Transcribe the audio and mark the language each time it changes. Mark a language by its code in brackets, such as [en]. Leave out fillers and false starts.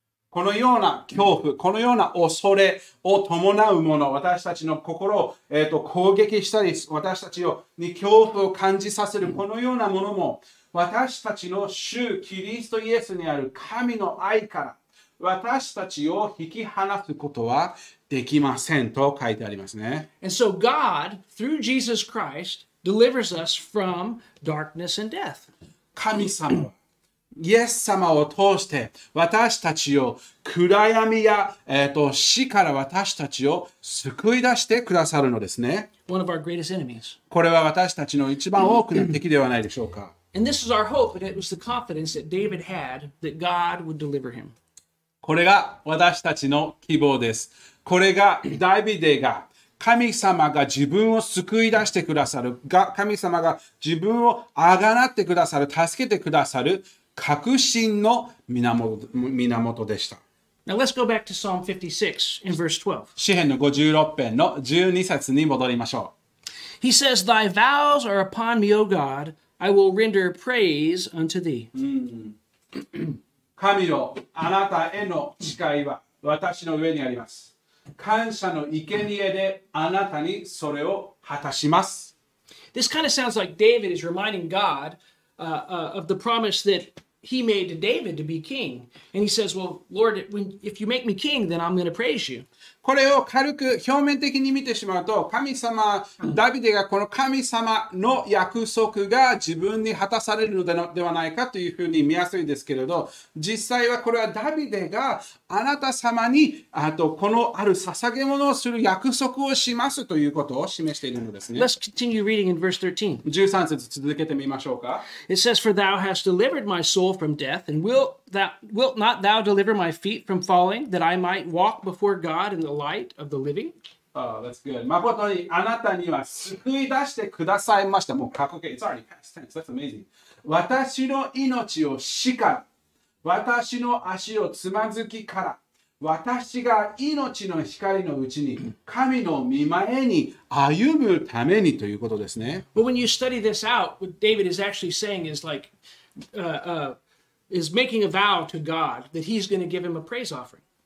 [ja] このような恐怖、このような恐れを伴うもの、私たちの心を、攻撃したり、私たちに恐怖を感じさせる、このようなものも、私たちの主、キリストイエスにある神の愛から、私たちを引き離すことはできませんと書いてありますね。 [en] And so God, through Jesus Christ, delivers us from darkness and death. [ja] 神様。イエス様を通して私たちを暗闇や、死から私たちを救い出してくださるのですね。 [en] One of our greatest enemies. [ja] これは私たちの一番大きな敵ではないでしょうか。 [en] And this is our hope, and it was the confidence that David had that God would deliver him. [ja] これが私たちの希望です。これがダビデが神様が自分を救い出してくださる、神様が自分をあがなってくださる、助けてくださる、確信の源でした。 [en] Now let's go back to Psalm 56 in verse 12. [ja] 詩編の56編の12節に戻りましょう。 [en] He says, Thy vows are upon me, O God, I will render praise unto thee. [ja] 神よ、あなたへの誓いは私の上にあります。感謝の生贄であなたにそれを果たします。 [en] This kind of sounds like David is reminding God,of the promise that he made to David to be king. And he says, well, Lord, if you make me king, then I'm going to praise you. [ja] これを軽く表面的に見てしまうと、神様、ダビデがこの神様の約束が自分に果たされるのではないかというふうに見やすいですけれど、実際はこれはダビデがあなた様に、あとこのある捧げ物をする約束をしますということを示しているのですね。 [en] Let's continue reading in verse 13. [ja] 13節続けてみましょうか。 [en] It says, For thou hast delivered my soul from death, and wilt not thou deliver my feet from falling, that I might walk before God in the light of the living? Oh, that's good. [ja] まことにあなたには救い出してくださいました。もう過去形。 [en] It's already past tense. That's amazing. [ja] 私の命を死から、私の足をつまずきから、私が命の光のうちに神の御前に歩むためにということですね。 [en] But when you study this out, what David is actually saying is like, is making a vow to God that he's going to give him a praise offering.